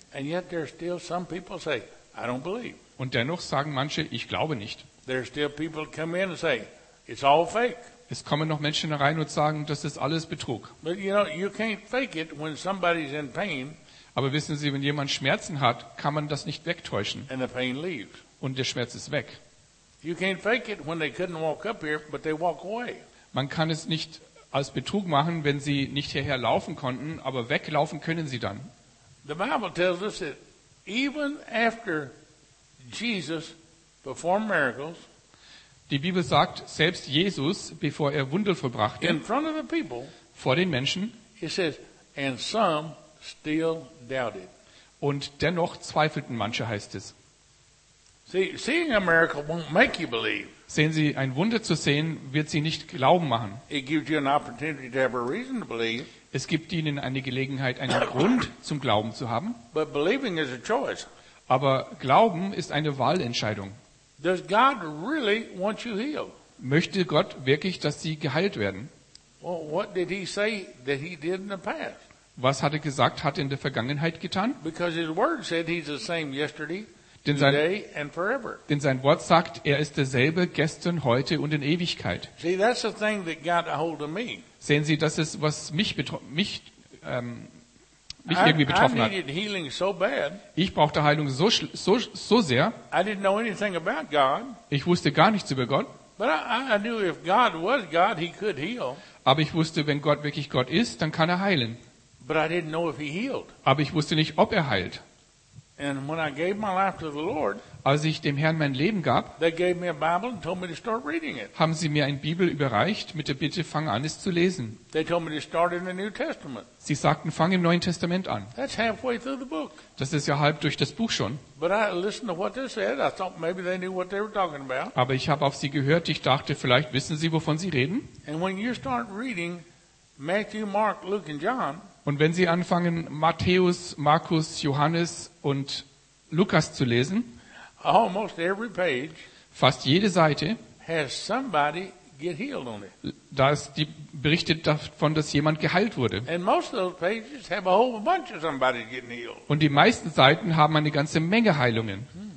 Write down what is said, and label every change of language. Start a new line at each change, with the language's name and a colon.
English: And yet there are still some people say, I don't believe.
German: Und dennoch sagen manche, ich glaube nicht.
English: There are still people come in and say, it's all fake.
German: Es kommen noch Menschen herein und sagen, das ist alles Betrug.
English: But you know, you can't fake it when somebody's in pain.
German: Aber wissen Sie, wenn jemand Schmerzen hat, kann man das nicht wegtäuschen.
English: And the pain leaves.
German: Und der Schmerz ist weg.
English: You can't fake it when they couldn't walk up here, but they walk away.
German: Man kann es nicht als Betrug machen, wenn sie nicht hierher laufen konnten, aber weglaufen können sie dann.
English: The Bible tells us that even after Jesus performed miracles,
German: die Bibel sagt, selbst Jesus, bevor er Wunder vollbrachte,
English: in front of the people,
German: vor den Menschen,
English: he says, and some still doubted.
German: Und dennoch zweifelten manche, heißt es.
English: Seeing a miracle won't make you believe.
German: Sehen Sie, ein Wunder zu sehen, wird Sie nicht glauben machen.
English: It gives you an opportunity to have a reason to believe.
German: Es gibt Ihnen eine Gelegenheit, einen Grund zum Glauben zu haben.
English: But believing is a choice.
German: Aber Glauben ist eine Wahlentscheidung.
English: Does God really want you healed?
German: Möchte Gott wirklich, dass Sie geheilt werden?
English: Well, what did he say that he did in the past?
German: Was hat er gesagt, hat er in der Vergangenheit getan?
English: Because his word said he's the same yesterday.
German: Denn sein Wort sagt, er ist derselbe gestern, heute und in Ewigkeit.
English: See, that's the thing that got a hold of me.
German: Sehen Sie, das ist, was mich irgendwie betroffen hat.
English: I needed healing so bad,
German: ich brauchte Heilung so sehr.
English: I didn't know anything about God,
German: ich wusste gar nichts über Gott.
English: But I knew if God was God, he could heal.
German: Aber ich wusste, wenn Gott wirklich Gott ist, dann kann er heilen.
English: But I didn't know if he healed.
German: Aber ich wusste nicht, ob er heilt.
English: And when I gave my life to the Lord,
German: als ich dem Herrn mein Leben gab,
English: they gave me a Bible and told me to start reading it.
German: Haben sie mir eine Bibel überreicht mit der Bitte, fang an, es zu lesen.
English: They told me to start in the New Testament.
German: Sie sagten, fang im Neuen Testament an.
English: That's halfway through the book.
German: Das ist ja halb durch das Buch schon.
English: But I listened to what they said. I thought maybe they knew what they were talking about.
German: Aber ich habe auf sie gehört. Ich dachte, vielleicht wissen sie, wovon sie reden.
English: And when you start reading Matthew, Mark, Luke and John.
German: Und wenn Sie anfangen, Matthäus, Markus, Johannes und Lukas zu lesen,
English: almost every page,
German: fast jede Seite,
English: has somebody get healed on it.
German: Da ist die berichtet davon, dass jemand geheilt wurde.
English: And most of those pages have a whole bunch of somebody getting healed.
German: Und die meisten Seiten haben eine ganze Menge Heilungen.